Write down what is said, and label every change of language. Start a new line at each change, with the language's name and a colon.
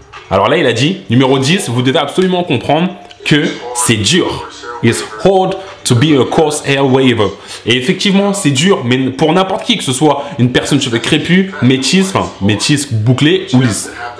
French: Alors là, il a dit, numéro 10, vous devez absolument comprendre que c'est dur.
English: It's hard to be a coarse hair waver.
French: Et effectivement, c'est dur, mais pour n'importe qui, que ce soit une personne cheveux crépus, métisse, enfin, métisse bouclé ou lisse.